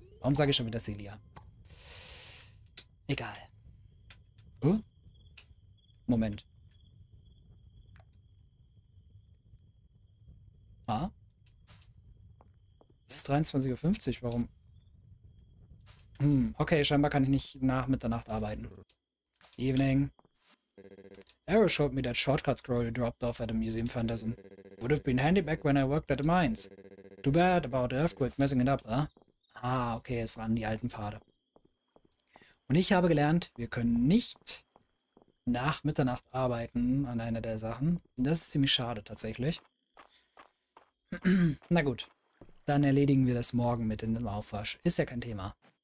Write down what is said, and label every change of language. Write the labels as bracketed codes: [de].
[de] Warum sage ich schon wieder Celia? Egal. Oh? Moment. Ah? Es ist 23.50 Uhr, warum? Okay, scheinbar kann ich nicht nach Mitternacht arbeiten. [en] Evening. Arrow showed me that shortcut scroll you dropped off at a museum phantasm. Would have been handy back when I worked at the mines. Too bad about the earthquake messing it up, huh? [de] Ah, okay, es waren die alten Pfade. Und ich habe gelernt, wir können nicht nach Mitternacht arbeiten an einer der Sachen. Das ist ziemlich schade, tatsächlich. Na gut, dann erledigen wir das morgen mit in dem Aufwasch. Ist ja kein Thema.